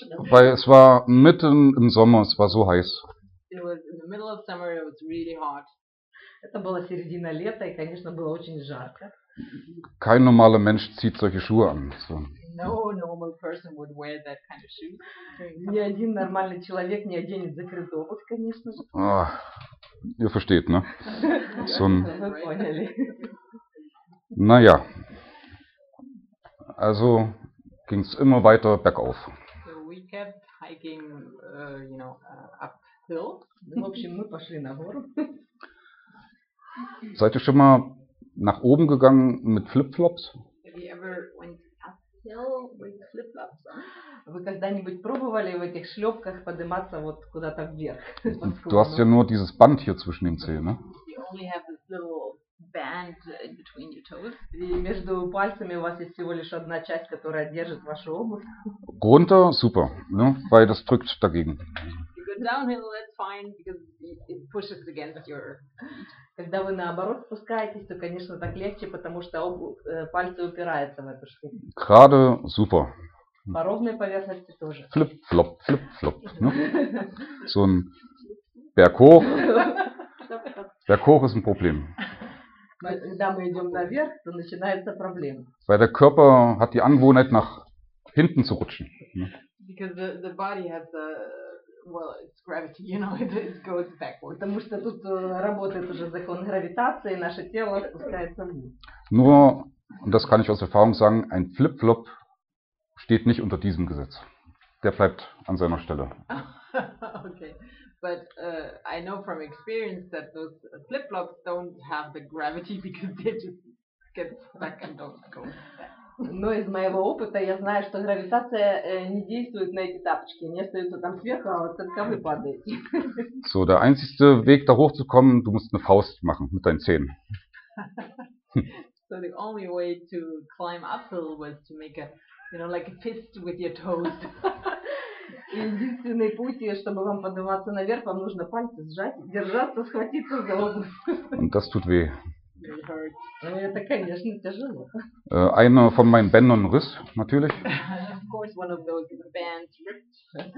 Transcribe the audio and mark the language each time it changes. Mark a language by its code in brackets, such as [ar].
[de] Weil es war mitten im Sommer, es war so heiß. [en] It was in the middle of summer, it was really hot. [ru] Это была середина лета, и, конечно, было очень жарко. [de] Kein normaler Mensch zieht solche Schuhe an. So. [en] No normal person would wear that kind of shoe. [ru] Ни один нормальный человек не оденет закрытую обувь, конечно же. [de] Ihr versteht, ne? So ein... [ru] Вы поняли. [de] Naja. Also ging es immer weiter bergauf. [en] So we kept hiking, you know, uphill. [ru] В общем, мы пошли на гору. [de] Seid ihr schon mal nach oben gegangen mit Flip-Flops? [en] Have you ever went uphill with flip-flops? [ru] Вы когда-нибудь пробовали в этих шлёпках подниматься вот куда-то вверх? [de] Du hast ja nur dieses Band hier zwischen den Zehen, ne? [en] You only have this little band in between your toes. [ru] И между пальцами у вас есть всего лишь одна часть, которая держит вашу обувь. [de] Runter, super, ne? Weil das drückt dagegen. [en] You go downhill, that's fine, because it pushes against your... [ru] Когда вы наоборот спускаетесь, то, конечно, так легче, потому что пальцы упираются в эту штуку. [de] Gerade, super. [ru] По ровной поверхности тоже. [de] Flip-flop, flip-flop. Ne? So ein Berg hoch. Berg hoch ist ein Problem. [ru] Когда мы идем наверх, то начинается проблема. [de] Weil der Körper hat die Angewohnheit, nach hinten zu rutschen. Ne? [en] Because the body has the, well, it's gravity, you know, it goes backwards. [ru] Потому что тут работает уже закон гравитации, наше тело спускается вниз. [de] Nur, und das kann ich aus Erfahrung sagen, ein Flip-flop steht nicht unter diesem Gesetz. Der bleibt an seiner Stelle. Okay. [en] But I know from experience that those flip-flops don't have the gravity because they just get stuck and don't go back. [ru] Но из моего опыта я знаю, что гравитация не действует на эти тапочки. Они остаются там сверху, а вот только вы падаете. [de] So, der einzige Weg da hochzukommen, du musst eine Faust machen mit deinen Zähnen. [en] So the only way to climb uphill was to make a, you know, like a fist with your toes. [ru] Единственный путь, чтобы вам подниматься наверх, вам нужно пальцы сжать, держаться, схватиться за обувь. [de] Das tut weh. [ru] Это, конечно, тяжело. [de] Einer von meinen Bändern riss, natürlich. [en] Of course, one of those bands ripped.